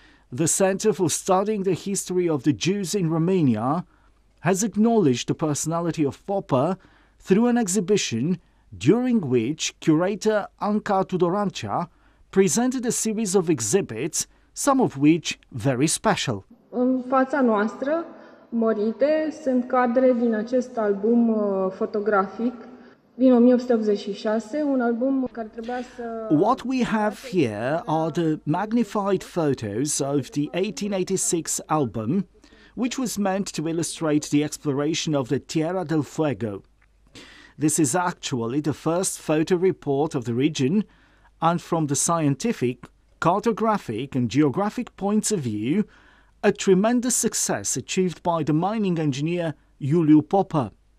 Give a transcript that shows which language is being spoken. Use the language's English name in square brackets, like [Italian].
[English] The Center for Studying the History of the Jews in Romania has acknowledged the personality of Popper through an exhibition during which curator Anca Tudorancia presented a series of exhibits, some of which very special. [Romanian] In fața noastră, morite, sunt cadre din acest album fotografic din 1886, un album care trebuia să... [English] What we have here are the magnified photos of the 1886 album, which was meant to illustrate the exploration of the Tierra del Fuego. This is actually the first photo report of the region, and from the scientific, cartographic and geographic points of view, a tremendous success achieved by the mining engineer Iuliu Popper.